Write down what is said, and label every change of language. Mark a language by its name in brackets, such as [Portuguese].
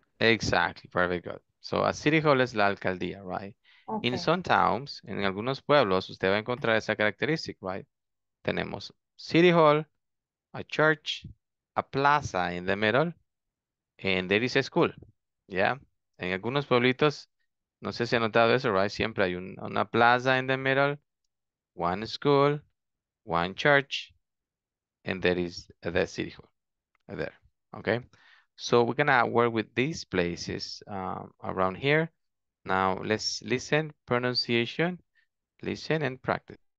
[English] Exactly, very good. So a city hall is la alcaldía, right? Okay. In some towns, [Spanish] en algunos pueblos, [English] usted va a encontrar esa característica, right? [Spanish] Tenemos [English] city hall, a church, a plaza in the middle, and there is a school, yeah? [Spanish] En algunos pueblitos, no sé si ha notado eso, right? Siempre hay una plaza [English] in the middle, one school, one church, and there is the city hall there, okay? So we're gonna work with these places around here. Now let's listen, pronunciation, listen and practice.